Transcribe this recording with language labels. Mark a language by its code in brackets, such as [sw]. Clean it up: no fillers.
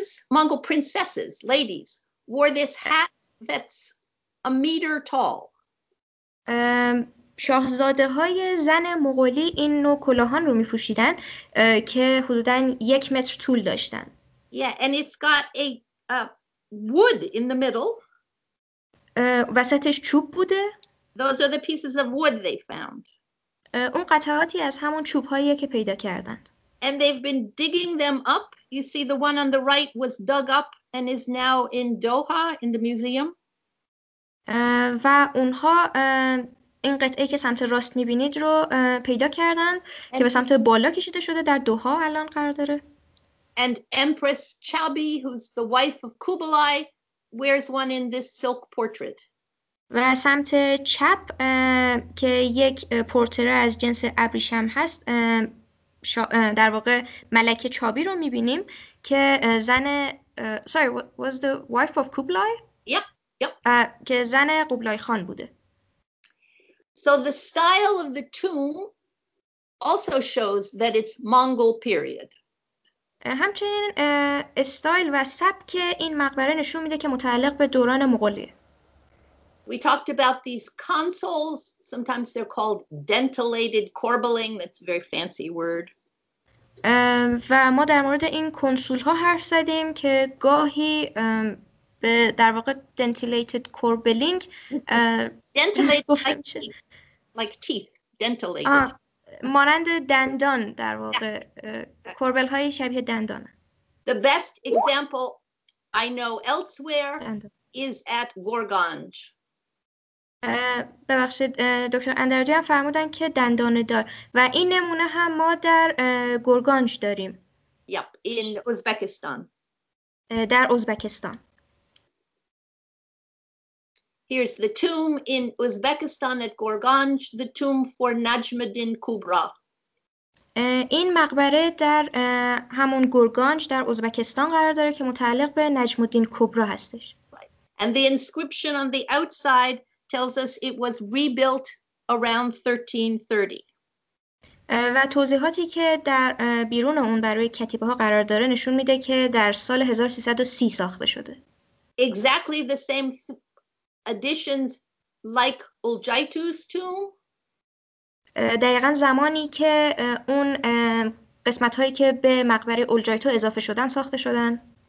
[en] Mongol princesses, ladies, wore this hat that's a meter tall. [fa] شاهزاده های زن مغولی این نوع کلاهان رو می پوشیدن که حدوداً یک متر طول داشتن. [en] Yeah, and it's got a wood in the middle. [fa] وسطش چوب بوده. [en] Those are the pieces of wood they found. [fa] اون قطعاتی از همون چوب هایی که پیدا کردند. [en] And they've been digging them up. You see the one on the right was dug up and is now in Doha in the museum. [fa] و اونها این قطعه که سمت راست میبینید رو پیدا کردن که به سمت بالا کشیده شده در دوها الان قرار داره. [en] And Empress Chabi, who's the wife of Kublai, wears one in this silk portrait. [fa] و سمت چپ که یک پورتره از جنس ابریشم هست در واقع ملکه چابی رو میبینیم که زن [en] was the wife of Kublai؟ [fa] که زن قبلای خان بوده. [en] So the style of the tomb also shows that it's Mongol period. [fa] همچنین استایل و سبک این مقبره نشون میده که متعلق به دوران مغولیه. [en] We talked about these consoles. Sometimes they're called dentelated corbelling. That's a very fancy word. [fa] و ما در مورد این کنسول ها حرف زدیم که گاهی به در واقع [en] dentilated corbelling dentilated [fa] گفته [en] like [fa] میشه. [en] Like teeth, dentilated. [fa] مانند دندان در واقع کوربل های شبیه دندان. [en] The best example I know elsewhere is at Gorgonj. [fa] ببخشید دکتر اندرجی هم فرمودن که دندان دار و این نمونه هم ما در گورگانج داریم. [en] Yep, in Uzbekistan. [fa] در ازبکستان. [en] Here's the tomb in Uzbekistan at Gorgonj, the tomb for Najmuddin Kubra. [fa] این مقبره در همون گورگانج در ازبکستان قرار داره که متعلق به نجم الدین کبرا هستش. [en] Right. And the inscription on the outside tells us it was rebuilt around 1330. [fa] و توضیحاتی که در بیرون اون برای کتیبه ها قرار داره نشون میده که در سال 1330 ساخته شده. [en] Exactly the same additions like Uljaitu's tomb. [fa] دقیقا زمانی که اون قسمت هایی که به مقبره اولجایتو اضافه شدن ساخته شدن.